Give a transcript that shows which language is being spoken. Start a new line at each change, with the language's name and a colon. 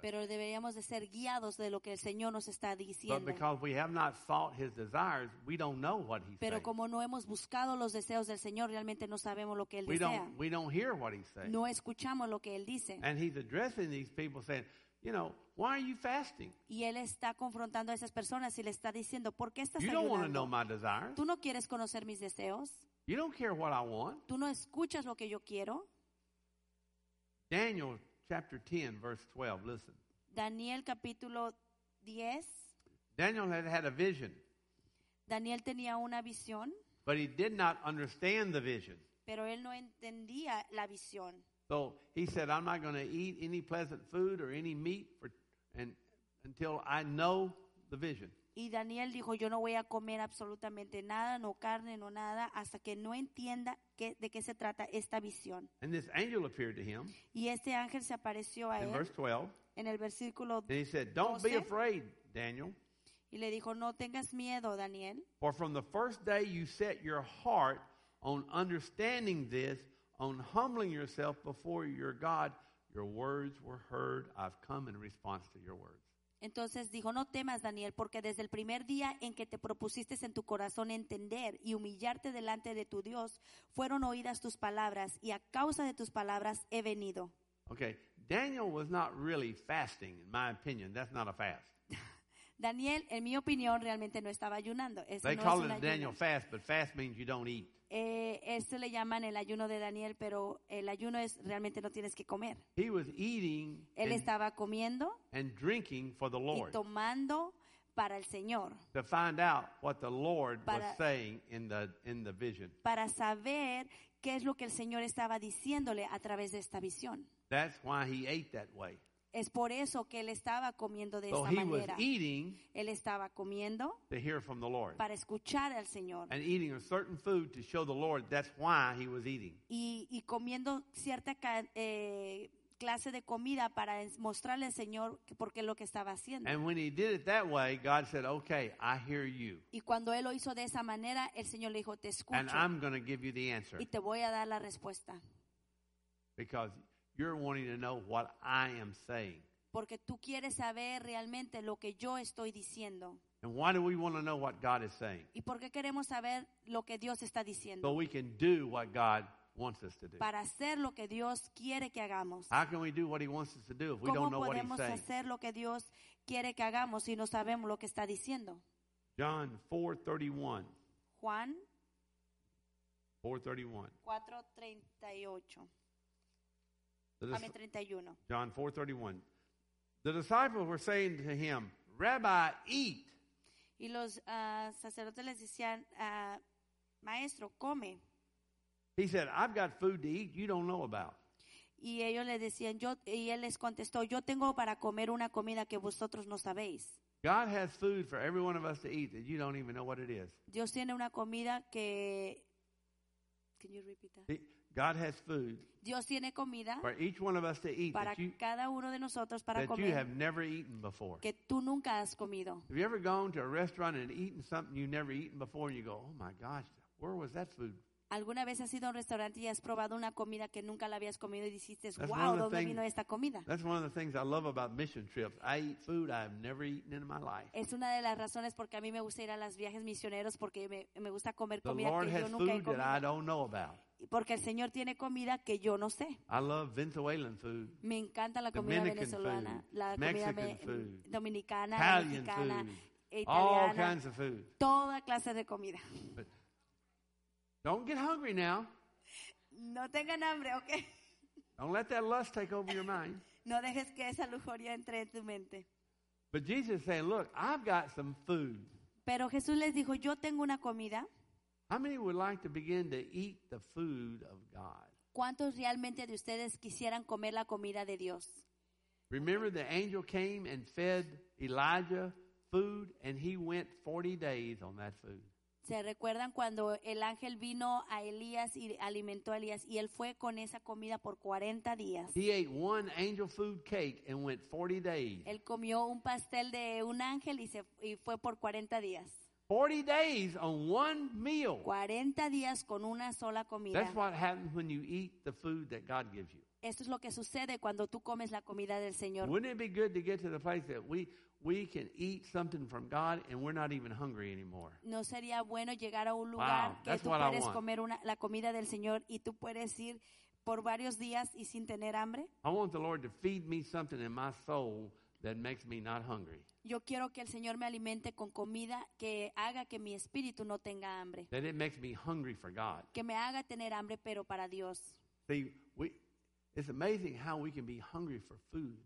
Spanish: Pero deberíamos de ser guiados de lo que el Señor nos está diciendo.
English: But because we have not sought His desires, we don't know what He's
Spanish: Pero
English: saying.
Spanish: Pero como no hemos buscado los deseos del Señor, realmente no sabemos lo que Él
English: we
Spanish: desea.
English: We don't hear what He's saying.
Spanish: No escuchamos lo que Él dice.
English: And He's addressing these people saying, you know, why are you fasting?
Spanish: Y él está confrontando a esas personas y le está diciendo, ¿por qué estás ayunando?
English: You don't want to know my desires.
Spanish: Tú no quieres conocer mis deseos.
English: You don't care what I want.
Spanish: Tú no escuchas lo que yo quiero.
English: Daniel chapter 10 verse 12. Listen.
Spanish: Daniel capítulo 10.
English: Daniel had a vision.
Spanish: Daniel tenía una visión.
English: But he did not understand the vision.
Spanish: Pero él no entendía la visión.
English: So he said, I'm not going to eat any pleasant food or any meat until I know the vision.
Spanish: Y Daniel dijo, yo no voy a comer absolutamente nada, no carne, no nada, hasta que no entienda de qué se trata esta visión.
English: And this angel appeared to him.
Spanish: Y este ángel se apareció a él.
English: In verse 12.
Spanish: En el versículo 12.
English: And he said, don't be afraid, Daniel.
Spanish: Y le dijo, no tengas miedo, Daniel.
English: For from the first day you set your heart on understanding this, on humbling yourself before your God, your words were heard. I've come in response to your words.
Spanish: Entonces dijo, no temas, Daniel, porque desde el primer día en que te propusiste en tu corazón entender y humillarte delante de tu Dios, fueron oídas tus palabras, y a causa de tus palabras he venido.
English: Okay, Daniel was not really fasting, in my opinion. That's not a fast.
Spanish: Daniel, en mi opinión, realmente no estaba ayunando. Eso
English: they
Spanish: no
English: call
Spanish: es
English: it
Spanish: ayuno.
English: Daniel fast, but fast means you don't eat.
Spanish: Este le llaman el ayuno de Daniel, pero el ayuno es realmente no tienes que comer.
English: He was eating.
Spanish: Él estaba comiendo.
English: And drinking for the Lord.
Spanish: Y tomando para el Señor.
English: To find out what the Lord was saying in the vision.
Spanish: Para saber qué es lo que el Señor estaba diciéndole a través de esta visión.
English: That's why he ate that way.
Spanish: Es por eso que él estaba comiendo de
English: so
Spanish: esta
English: he
Spanish: manera.
English: Was eating
Spanish: él estaba comiendo
English: to hear from the Lord.
Spanish: Para escuchar al Señor.
English: And eating a certain food to show the Lord that's why he was eating.
Spanish: Y comiendo cierta clase de comida para mostrarle al Señor por qué lo que estaba haciendo.
English: And when he did it that way, God said, okay, I hear you.
Spanish: Y cuando él lo hizo de esa manera, el Señor le dijo, te escucho.
English: And I'm going to give you the answer.
Spanish: Y te voy a dar la respuesta.
English: Because you're wanting to know what I am saying.
Spanish: Porque tú quieres saber realmente lo que yo estoy diciendo.
English: And why do we want to know what God is saying?
Spanish: ¿Y por qué queremos saber lo que Dios está diciendo?
English: So we can do what God wants us to do.
Spanish: Para hacer lo que Dios quiere que hagamos.
English: How can we do what he wants us to do if we don't know what he's saying?
Spanish: ¿Cómo podemos hacer lo que Dios quiere que hagamos si no sabemos lo que está diciendo?
English: John 4:31.
Spanish: Juan
English: 4:31. John 4:31. The disciples were saying to him, Rabbi, eat.
Spanish: Y los sacerdotes les decían, Maestro, come.
English: He said, I've got food to eat you don't know about.
Spanish: Y ellos le decían, y él les contestó, yo tengo para comer una comida que vosotros no sabéis.
English: God has food for every one of us to eat that you don't even know what it is.
Spanish: Dios tiene una comida que...
English: Can you repeat that? God has food.
Spanish: Dios tiene comida
English: for each one of us to eat
Spanish: para
English: that you,
Spanish: cada uno de nosotros para
English: that
Spanish: comer
English: you have never eaten before.
Spanish: Que tú nunca has comido.
English: Have you ever gone to a restaurant and eaten something you've never eaten before and you go, oh my gosh, where was that food?
Spanish: ¿Alguna vez has ido a un restaurante y has probado una comida que nunca la habías comido y dijiste, wow, ¿dónde vino esta comida?
English: That's one of the things I love about mission trips. I eat food I've never eaten in my life.
Spanish: Es una de las razones porque a mí me gusta ir a los viajes misioneros porque me gusta comer comida que yo nunca he comido.
English: The Lord has food that I don't know about.
Spanish: Porque el Señor tiene comida que yo no sé.
English: I love Venezuelan food.
Spanish: Me encanta la comida venezolana, la comida dominicana, Italiana,
English: all kinds of food.
Spanish: Toda clase de comida.
English: Don't get hungry now.
Spanish: No tengan hambre, okay.
English: Don't let that lust take over your mind.
Spanish: No dejes que esa lujuria entre en tu mente.
English: But Jesus is saying, look, I've got some food.
Spanish: Pero Jesús les dijo, yo tengo una comida.
English: How many would like to begin to eat the food of God?
Spanish: ¿Cuántos realmente de ustedes quisieran comer la comida de Dios?
English: Remember the angel came and fed Elijah food and he went 40 days on that food.
Spanish: ¿Se recuerdan cuando el ángel vino a Elías y alimentó a Elías y él fue con esa comida por 40 días?
English: He ate one angel food cake and went 40 days.
Spanish: Él comió un pastel de un ángel y fue por 40 días.
English: 40 days on one meal.
Spanish: 40 días con una sola comida.
English: That's what happens when you eat the food that God gives you.
Spanish: Esto es lo que sucede cuando tú comes la comida del Señor.
English: Wouldn't it be good to get to the place that we can eat something from God and we're not even hungry anymore?
Spanish: No sería bueno llegar a un lugar que tú puedes comer la comida del Señor y tú puedes ir por varios días y sin tener hambre.
English: I want the Lord to feed me something in my soul that makes me not hungry.
Spanish: Yo quiero que el Señor me alimente con comida que haga que mi espíritu no tenga hambre.
English: That it makes me hungry for God.
Spanish: Que me haga tener hambre, pero para Dios.
English: See, it's amazing how we can be hungry for food.